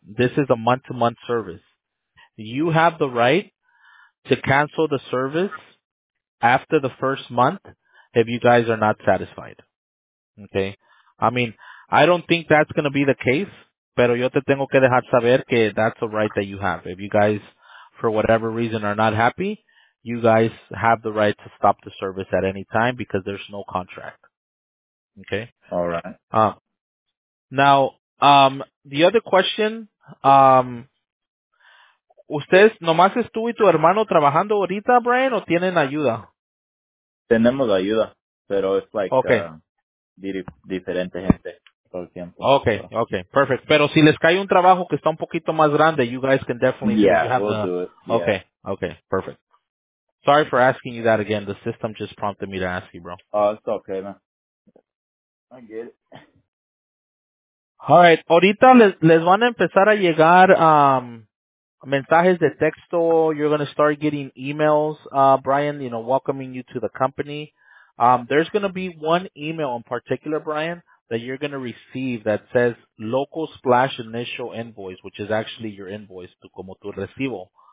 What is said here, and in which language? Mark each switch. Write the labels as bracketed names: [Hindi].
[English] This is a month-to-month service. You have the right to cancel the service after the first month if you guys are not satisfied, okay? I mean, I don't think that's going to be the case, [Spanish] pero yo te tengo que dejar saber que [English] that's a right that you have. If you guys, for whatever reason, are not happy, you guys have the right to stop the service at any time because there's no contract. Okay? All right. Now, the other question, [Spanish] ¿ustedes nomás es tú y tu hermano trabajando ahorita, Brian, o tienen ayuda? Tenemos ayuda, pero es [English] like okay. [Spanish] Diferente gente todo el tiempo. [English] Okay, so. Okay, perfect. [Spanish] Pero si les cae un trabajo que está un poquito más grande, [English] you guys can definitely yeah, have we'll the, do it. Yeah. Okay, okay, perfect. Sorry for asking you that again. The system just prompted me to ask you, bro. Oh, it's okay, man. I get it. All right. [Spanish] Ahorita les van a empezar a llegar mensajes de texto. [English] You're going to start getting emails, Brian, you know, welcoming you to the company. There's going to be one email in particular, Brian, that you're going to receive that says local splash initial invoice, which is actually your invoice to [Spanish] como tu recibo.